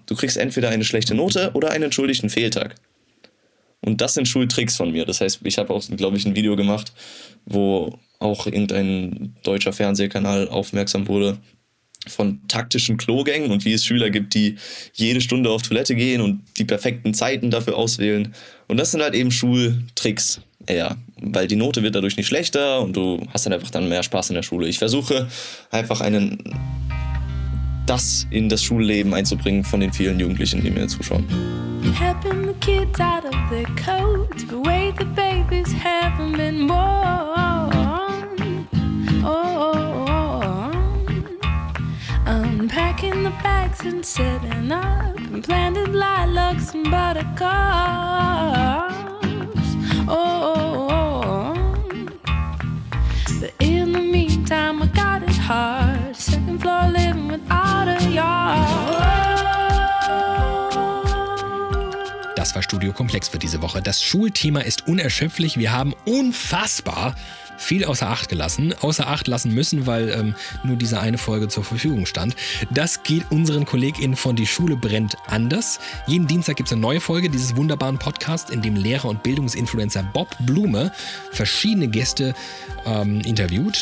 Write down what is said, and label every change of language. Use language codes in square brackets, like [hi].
[de] Du kriegst entweder eine schlechte Note oder einen entschuldigten Fehltag. Und das sind Schultricks von mir. Das heißt, ich habe auch, glaube ich, ein Video gemacht, wo auch irgendein deutscher Fernsehkanal aufmerksam wurde von taktischen Klogängen und wie es Schüler gibt, die jede Stunde auf Toilette gehen und die perfekten Zeiten dafür auswählen. Und das sind halt eben Schultricks. Ja, weil die Note wird dadurch nicht schlechter und du hast dann einfach dann mehr Spaß in der Schule. Ich versuche einfach das in das Schulleben einzubringen von den vielen Jugendlichen, die mir zuschauen. [en] Helping the kids out of their coats, the way the babies haven't been born. Oh. Unpacking the bags and setting up, and planted lilacs and buttercups. But in the meantime, I got it hard. Second floor living without a yard. [de] Das war Studio Komplex für diese Woche. Das Schulthema ist unerschöpflich. Wir haben unfassbar viel außer Acht gelassen. Außer Acht lassen müssen, weil nur diese eine Folge zur Verfügung stand. Das geht unseren KollegInnen von Die Schule brennt anders. Jeden Dienstag gibt es eine neue Folge dieses wunderbaren Podcasts, in dem Lehrer und Bildungsinfluencer Bob Blume verschiedene Gäste interviewt.